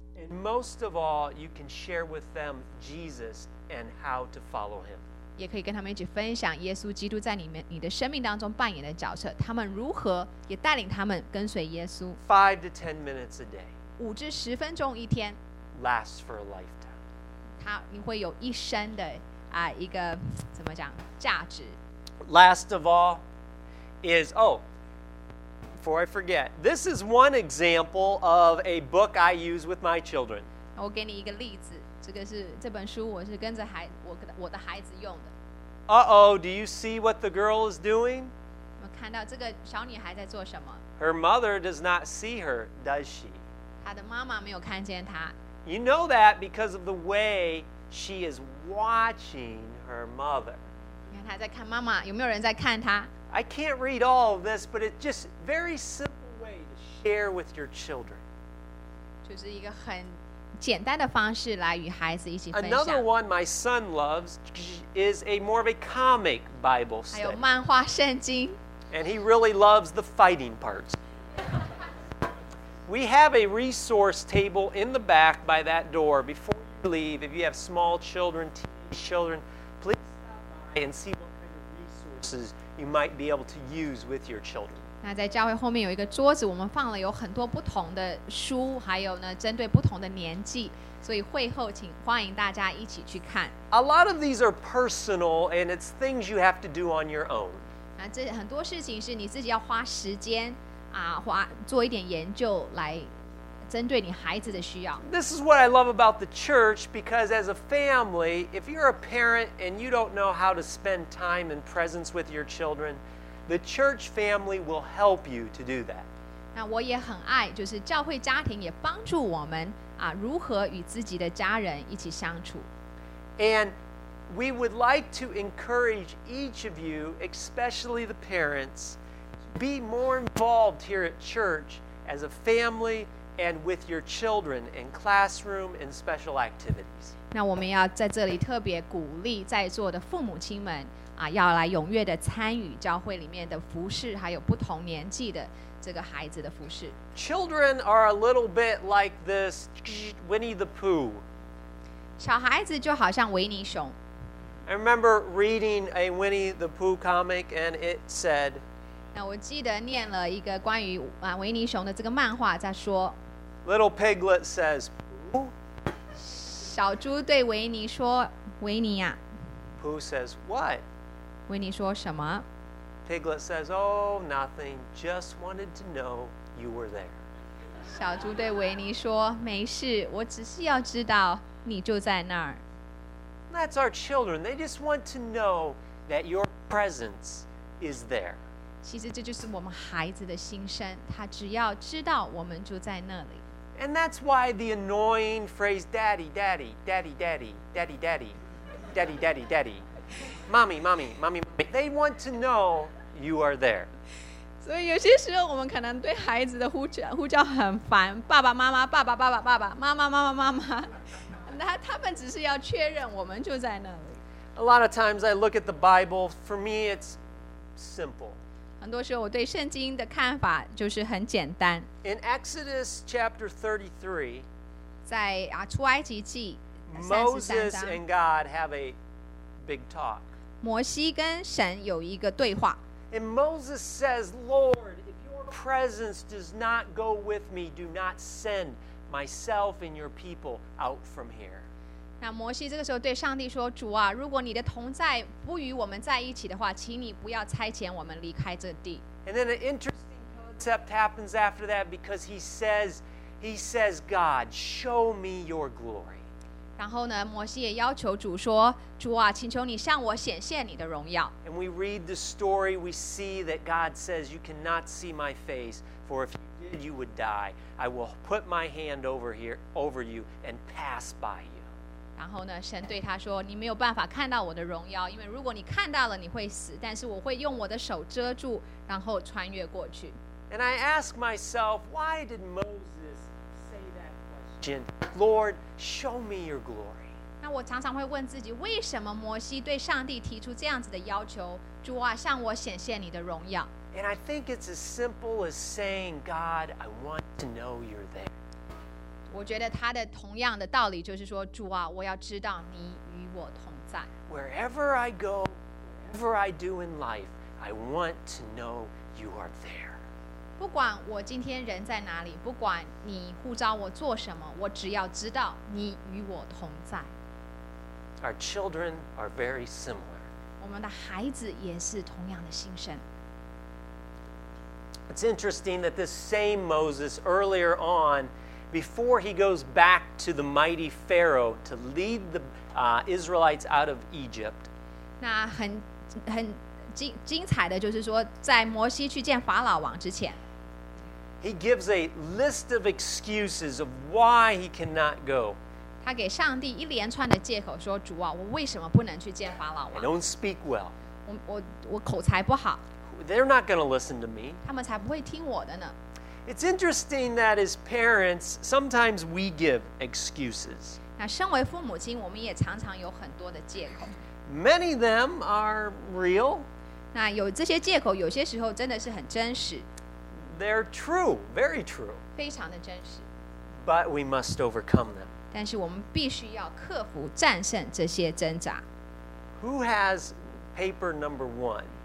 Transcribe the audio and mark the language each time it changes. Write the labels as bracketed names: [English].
[English] And most of all, you can share with them Jesus and how to follow him. [Chinese] 也可以跟他们一起分享耶稣基督在你的生命当中扮演的角色，他们如何也带领他们跟随耶稣。 [English] 5 to 10 minutes a day. [Chinese] 5至10分钟一天。 [English] Lasts for a lifetime. [Chinese] 它你会有一生的啊一个怎么讲价值。 [English] Last of all is, oh,Before I forget, this is one example of a book I use with my children. [Chinese] 我给你一个例子，这个是这本书，我是跟着孩我的孩子用的。 [English] Uh-oh, do you see what the girl is doing? [Chinese] 我看到这个小女孩在做什么。 [English] Her mother does not see her, does she? [Chinese] 她的妈妈没有看见她。 [English] You know that because of the way she is watching her mother. [Chinese] 你看她在看妈妈，有没有人在看她？ [English] I can't read all of this, but it's just a very simple way to share with your children. [Chinese] 就是一个很简单的方式来与孩子一起分享。 [English] Another one my son loves is a more of a comic Bible study. [Chinese] 还有漫画圣经。 [English] And he really loves the fighting parts. We have a resource table in the back by that door. Before you leave, if you have small children, teenage children, please stop by and see what kind of resources. You might be able to use with your children. [Chinese] 那在教会后面有一个桌子，我们放了有很多不同的书，还有呢，针对不同的年纪，所以会后请欢迎大家一起去看。 [English] A lot of these are personal, and it's things you have to do on your own. [Chinese] 那这很多事情是你自己要花时间啊，花做一点研究来针对你孩子的需要。 [English] This is what I love about the church, because as a family, if you're a parent and you don't know how to spend time and presence with your children, the church family will help you to do that. [Chinese] 那我也很爱，就是教会家庭也帮助我们啊，如何与自己的家人一起相处。 [English] And we would like to encourage each of you, especially the parents, be more involved here at church as a family and with your children in classroom and special activities. [Chinese] 那我们要在这里特别鼓励在座的父母亲们啊，要来踊跃的参与教会里面的服事，还有不同年纪的这个孩子的服事。 [English] Children are a little bit like this Winnie the Pooh. [Chinese] 小孩子就好像维尼熊。 [English] I remember reading a Winnie the Pooh comic, and it said. [Chinese] 那我记得念了一个关于啊维尼熊的这个漫画，在说。 [English] Little Piglet says, "Pooh." [Chinese] 小猪对维尼说：“维尼呀。” [English] Pooh says, "What?" [Chinese] 维尼说什么？ [English] Piglet says, "Oh, nothing. Just wanted to know you were there." [Chinese] 小猪对维尼说：“没事，我只是要知道你就在那儿。” [English] That's our children. They just want to know that your presence is there. [Chinese] 其实这就是我们孩子的心声，他只要知道我们就在那里。 [English] And that's why the annoying phrase daddy, daddy, daddy, daddy, daddy, daddy, daddy, daddy, daddy, mommy, mommy, mommy, mommy, they want to know you are there. [Chinese] 所以有些时候我们可能对孩子的呼叫很烦，爸爸妈妈，爸爸爸爸爸爸，妈妈妈妈妈妈，他们只是要确认我们就在那里。 [English] A lot of times I look at the Bible, for me it's simple. [Chinese] 很多时候我对圣经的看法就是很简单。 [English] In Exodus chapter 33, [Chinese] 在啊出埃及记 [English] ，Moses and God have a big talk. [Chinese] 摩西跟神有一个对话。 [English] And Moses says, "Lord, if your presence does not go with me, do not send myself and your people out from here." [Chinese] 那摩西这个时候对上帝说，主啊，如果你的同在不与我们在一起的话，请你不要差遣我们离开这地。 [English] And then an interesting concept happens after that because he says, God, show me your glory. [Chinese] 然后呢，摩西也要求主说，主啊，请求你向我显现你的荣耀。 [English] And we read the story, we see that God says, you cannot see my face, for if you did, you would die. I will put my hand over you and pass by you. [Chinese] 然后呢，神对他说：“你没有办法看到我的荣耀，因为如果你看到了，你会死。但是我会用我的手遮住，然后穿越过去。” [English] And I ask myself, why did Moses say that question? Lord, show me your glory. [Chinese] 那我常常会问自己，为什么摩西对上帝提出这样子的要求？主啊，向我显现你的荣耀。 [English] And I think it's as simple as saying, God, I want to know you're there. [Chinese] 我觉得他的同样的道理就是说，主啊，我要知道你与我同在。 [English] Wherever I go, whatever I do in life, I want to know you are there. [Chinese] 不管我今天人在哪里，不管你呼召我做什么，我只要知道你与我同在。 [English] Our children are very similar. [Chinese] 我们的孩子也是同样的心声。 [English] It's interesting that this same Moses earlier on. Before he goes back to the mighty Pharaoh to lead the Israelites out of Egypt, [Chinese] 那很精彩的就是说，在摩西去见法老王之前 [English] ，he gives a list of excuses of why he cannot go. [Chinese] 他给上帝一连串的借口说，主啊，我为什么不能去见法老王 [English] ？I don't speak well. [Chinese] 我口才不好。 [English] They're not going to listen to me. [Chinese] 他们才不会听我的呢。 [English] It's interesting that as parents, sometimes we give excuses. [Chinese] 那身为父母亲，我们也常常有很多的借口。 [English] Many of them are real. [Chinese] 那有这些借口，有些时候真的是很真实。 [English] They're true, very true. [Chinese] 非常的真实。 [English] But we must overcome them. [Chinese] 但是我们必须要克服、战胜这些挣扎。 [English] Who has paper number one?